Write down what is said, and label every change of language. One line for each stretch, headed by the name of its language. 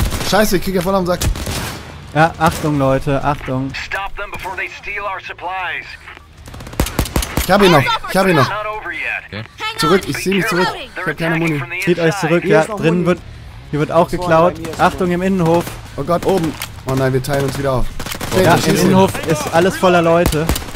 German: Scheiße, ich krieg ja voll am Sack. Ja, Achtung Leute, Achtung.
English: Stop them before they steal our supplies.
German: Ich hab ihn noch. Okay. Zurück, ich zieh mich zurück. Ich hab keine Muni. Zieht euch zurück, hier drinnen wird. Hier wird auch geklaut. Achtung im Innenhof. Oh Gott, oben. Oh nein, wir teilen uns wieder auf. Okay, ja, im Innenhof ist alles voller Leute.